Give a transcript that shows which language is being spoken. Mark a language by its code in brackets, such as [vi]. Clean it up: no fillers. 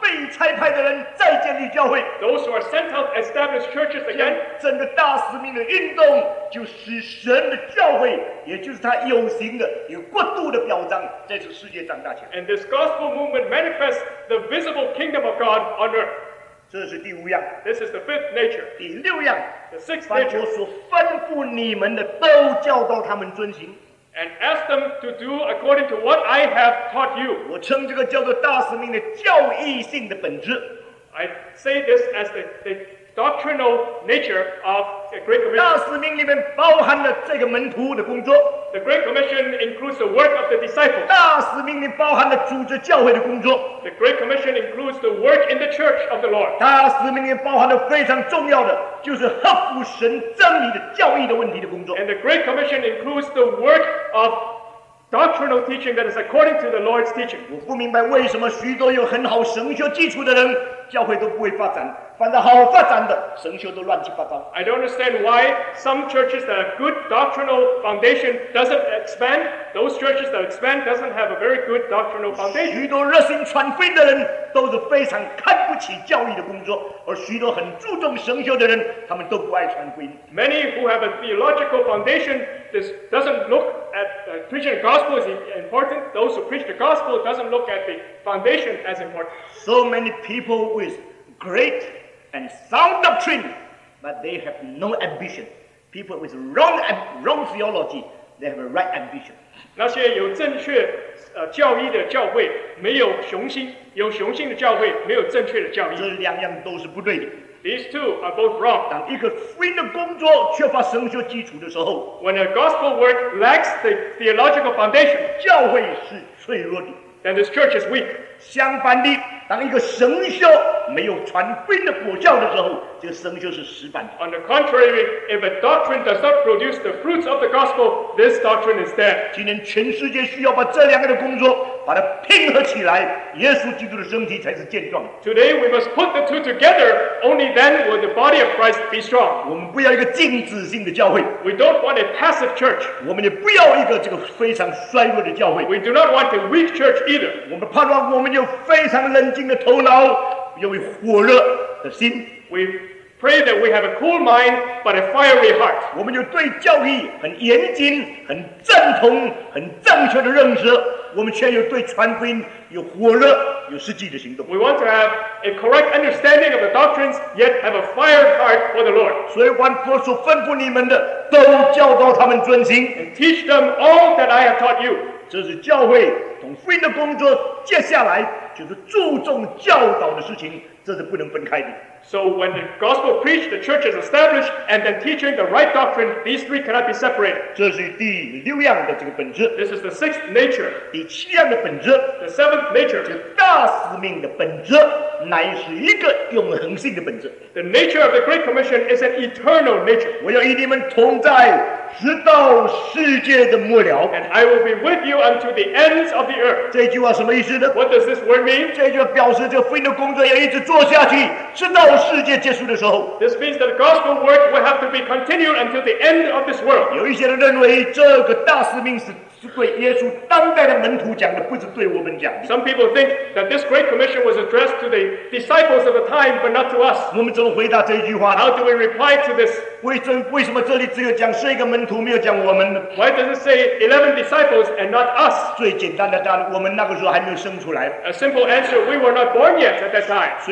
[zh] 被差派的人再建立教会。 [en] Those who are sent out establish churches again. [zh] 整个大使命的运动就使神的教会，也就是他有形的、有国度的表彰，在这世界长大起来。 [en] And this gospel movement manifests the visible kingdom of God on earth. [zh] 这是第五样。 [en] This is the fifth nature. [zh] 第六样。 [en] The sixth nature. [zh] 凡我所吩咐你们的，都教导他们遵行。 [en] And ask them to do according to what I have taught you. [zh] 我称这个叫做大使命的教义性的本质。 [en] I say this as the doctrinal nature of the Great Commission. [zh] 大使命里面包含了这个门徒的工作。 [en] The Great Commission includes the work of the disciples. [zh] 大使命里包含了组织教会的工作。 [en] The Great Commission includes the work in the church of the Lord. [zh] 大使命里包含了非常重要的，就是合乎神真理的教义的问题的工作。 [en] And the Great Commission includes the work of doctrinal teaching that is according to the Lord's teaching. [zh] 我不明白为什么许多有很好神学基础的人，教会都不会发展。反正好发展的神学都乱七八糟。 [en] I don't understand why some churches that have good doctrinal foundation doesn't expand. Those churches that expand doesn't have a very good doctrinal foundation. [zh] 许多热心传福音的人都是非常看不起教义的工作，而许多很注重神学的人，他们都不爱传福音。 [en] Many who have a theological foundation doesn't look at preaching the gospel as important. Those who preach the gospel doesn't look at the foundation as important. So many people withGreat and sound doctrine, but they have no ambition. People with wrong theology, they have a right ambition. [zh] 那些有正确教义的教会没有雄心，有雄心的教会没有正确的教义。这两样都是不对的。 [en] These two are both wrong. [zh] 当一个福音的工作缺乏神学基础的时候 [en] ，When a gospel work lacks the theological foundation, [zh] 教会是脆弱的。 [en] Then this church is weak. [zh] 相反的。当一个神学没有传福音的果效的时候，这个神学是失败的。 [en] On the contrary, if a doctrine does not produce the fruits of the gospel, this doctrine is dead. [zh] 今天全世界需要把这两个的工作把它拼合起来，耶稣基督的身体才是健壮。 [en] Today we must put the two together. Only then will the body of Christ be strong. [zh] 我们不要一个静止性的教会。 [en] We don't want a passive church. [zh] 我们也不要一个这个非常衰弱的教会。 [en] We do not want a weak church either. [zh] 我们盼望我们有非常冷。冷静的头脑，有火热的心。 [en] We pray that we have a cool mind, but a fiery heart. [zh] 我们有对教义很严谨、很正统、很正确的认识，我们却有对传福音有火热、有实际的行动。 [en] We want to have a correct understanding of the doctrines, yet have a fired heart for the Lord. [zh] 所以，凡我所吩咐你们的，都教导他们遵行。 [en] And teach them all that I have taught you. [zh] 这是教会从福音的工作接下来。就是注重教导的事情，这是不能分开的。 [en] So when the gospel preached, the church is established, and then teaching the right doctrine, these three cannot be separated. [zh] 这是第六样的这个本质。 [en] This is the sixth nature. [zh] 第七样的本质。 [en] The seventh nature. [zh] 这大使命的本质乃是一个永恒性的本质。 [en] The nature of the Great Commission is an eternal nature. [zh] 我要与你们同在，直到世界的末了。 [en] And I will be with you until the ends of the earth. [zh] 这句话什么意思呢 [en] ？What does this word mean? [zh] 这句话表示这福音的工作要一直做下去，直到到世界结束的时候。 [en] This means that the gospel work will have to be continued until the end of this world. [zh] 有一些人认为这个大使命是对耶稣当代的门徒讲的，不是对我们讲的。 [en] Some people think that this great commission was addressed to the disciples of the time, but not to us. [zh] 我们怎么回答这句话呢 [en] ？How do we reply to this? [zh] 为什么这里只有讲十一个门徒，没有讲我们呢 [en] ？Why does it say 11 disciples and not us? [zh] 最简单的答案，我们那个时候还没有生出来。 [en] A simple answer: We were not born yet at that time.